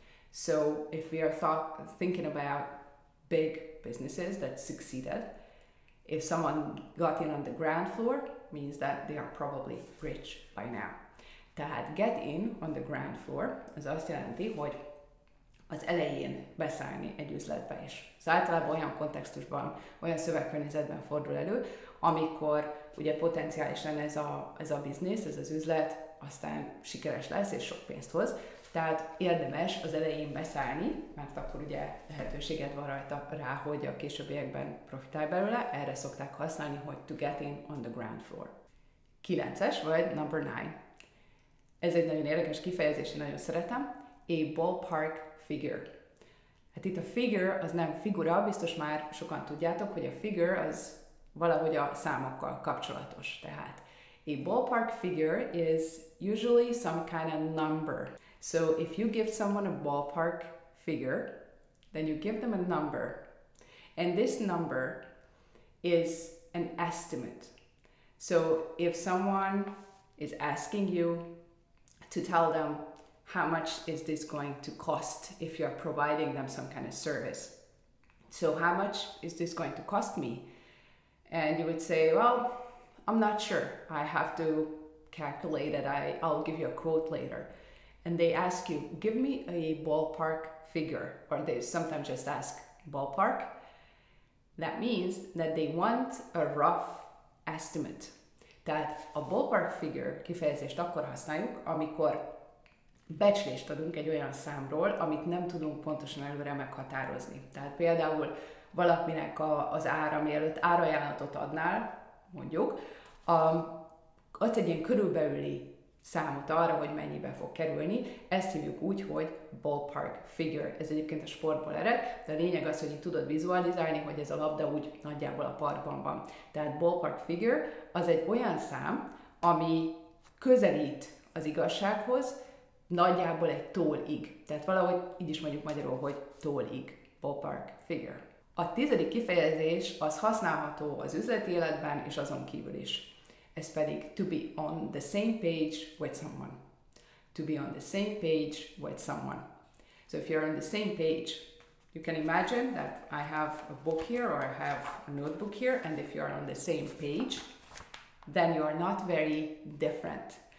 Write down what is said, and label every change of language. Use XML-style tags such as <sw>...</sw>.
<en>So if we are thinking about big businesses that succeeded, if someone got in on the ground floor, means that they are probably rich by now. Tehát get in on the ground floor,</en> <hu>az azt jelenti, hogy az elején beszállni egy üzletbe is. Szóval általában olyan kontextusban, olyan szövegkörnyezetben fordul elő, amikor ugye potenciálisan ez a biznisz, ez az üzlet, aztán sikeres lesz és sok pénzt hoz. Tehát érdemes az elején beszállni, mert akkor ugye lehetőséged van rajta rá, hogy a későbbiekben profitálj belőle. Erre szokták használni, hogy</hu> <en>to get in on the ground floor.</en> <hu>9-es vagy</hu> <en>number 9.</en> <hu>Ez egy nagyon érdekes kifejezés, én nagyon szeretem. A ballpark figure. Hát itt a figure az nem figura, biztos már sokan tudjátok, hogy a figure az valahogy a számokkal kapcsolatos.</hu> <en>Tehát a ballpark figure is usually some kind of number. So if you give someone a ballpark figure, then you give them a number. And this number is an estimate. So if someone is asking you to tell them how much is this going to cost if you're providing them some kind of service. So how much is this going to cost me? And you would say, well, I'm not sure. I have to calculate it. I'll give you a quote later. And they ask you, give me a ballpark figure, or they sometimes just ask ballpark. That means that they want a rough estimate.</en> <hu>Tehát a ballpark figure kifejezést akkor használjuk, amikor becslést adunk egy olyan számról, amit nem tudunk pontosan előre meghatározni. Tehát például valakinek az ára, mielőtt árajánlatot adnál, mondjuk, ott egy ilyen körülbelüli számot arra, hogy mennyibe fog kerülni, ezt hívjuk úgy, hogy ballpark figure. Ez egyébként a sportból ered, de a lényeg az, hogy tudod vizualizálni, hogy ez a labda úgy nagyjából a parkban van. Tehát ballpark figure az egy olyan szám, ami közelít az igazsághoz, nagyjából egy tólig. Tehát valahogy így is mondjuk magyarul, hogy tólig. Ballpark figure. A 10. kifejezés az használható az üzleti életben és azon kívül is. Ez pedig</hu> <en>to be on the same page with someone. To be on the same page with someone. So if you're on the same page, you can imagine that I have a book here or I have a notebook here, and if you're on the same page, then you are not very different.</en>